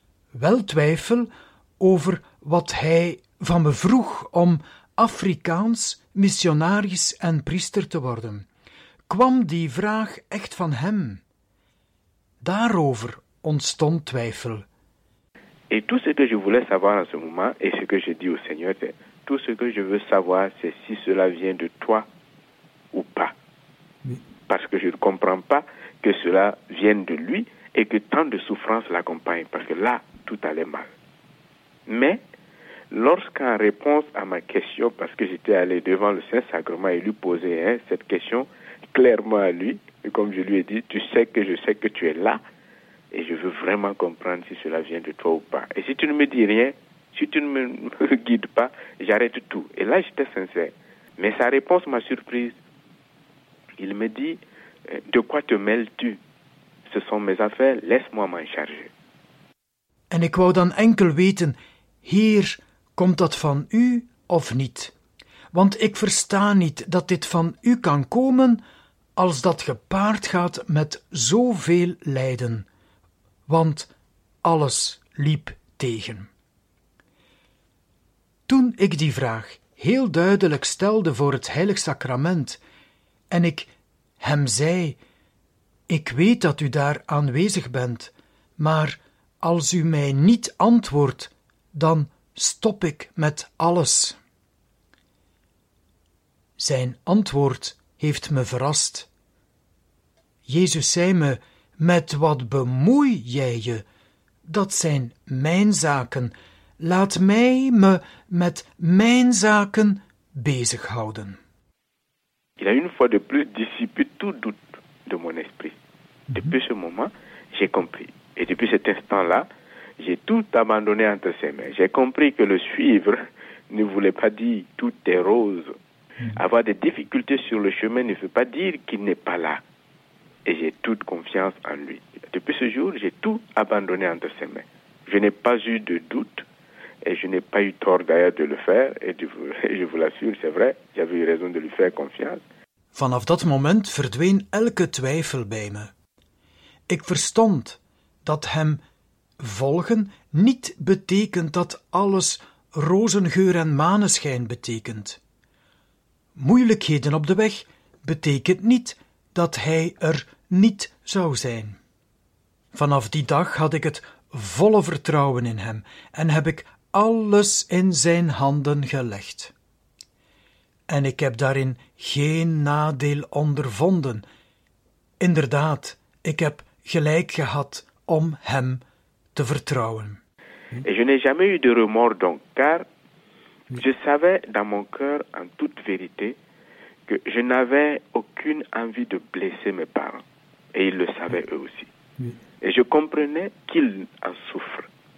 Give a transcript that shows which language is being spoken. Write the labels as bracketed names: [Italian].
[Dutch] Wel twijfel over wat hij van me vroeg om Afrikaans, missionaris en priester te worden. Kwam die vraag echt van hem? Daarover ontstond twijfel. [French] En tout ce que je voulais savoir en ce moment, et ce que je dis au Seigneur, c'est tout ce que je veux savoir, c'est si cela vient de toi ou pas. Parce que je ne comprends pas que cela vienne de lui et que tant de souffrance l'accompagne, parce que là, tout allait mal. Mais, lorsqu'en réponse à ma question, parce que j'étais allé devant le Saint-Sacrement et lui poser cette question, clairement à lui, et comme je lui ai dit, tu sais que je sais que tu es là, et je veux vraiment comprendre si cela vient de toi ou pas. Et si tu ne me dis rien, si tu ne me guides pas, j'arrête tout. Et là, j'étais sincère. Mais sa réponse m'a surprise. Il me dit, de quoi te mêles-tu? ce sont mes affaires, laisse-moi m'en charger. [Dutch] En ik wou dan enkel weten, hier, komt dat van u of niet? Want ik versta niet dat dit van u kan komen, als dat gepaard gaat met zoveel lijden. Want alles liep tegen. Toen ik die vraag heel duidelijk stelde voor het Heilig Sacrament, en ik hem zei, ik weet dat u daar aanwezig bent, maar als u mij niet antwoordt, dan stop ik met alles. Zijn antwoord heeft me verrast. Jezus zei me, met wat bemoei jij je? Dat zijn mijn zaken. Laat mij me met mijn zaken bezighouden. [French] Il a une fois de plus dissipé tout doute de mon esprit. Depuis ce moment, j'ai compris. Et depuis cet instant-là, j'ai tout abandonné entre ses mains. J'ai compris que le suivre ne voulait pas dire tout est rose. Avoir des difficultés sur le chemin ne veut pas dire qu'il n'est pas là. Et j'ai toute confiance en lui. Depuis ce jour, j'ai tout abandonné entre ses mains. Je n'ai pas eu de doute et je n'ai pas eu tort d'ailleurs de le faire. Et je vous l'assure, c'est vrai, j'avais eu raison de lui faire confiance. [Dutch] Vanaf dat moment verdween elke twijfel bij me. Ik verstond dat hem volgen niet betekent dat alles rozengeur en maneschijn betekent. Moeilijkheden op de weg betekent niet dat hij er niet zou zijn. Vanaf die dag had ik het volle vertrouwen in hem en heb ik alles in zijn handen gelegd. En ik heb daarin geen nadeel ondervonden. Inderdaad, ik heb gelijk gehad om hem te vertrouwen. [French] Et je n'ai jamais eu de remords donc, car je savais dans mon cœur en toute vérité que je n'avais aucune envie de blesser mes parents. Et ils le savaient eux aussi. Et je comprenais qu'ils en souffrent.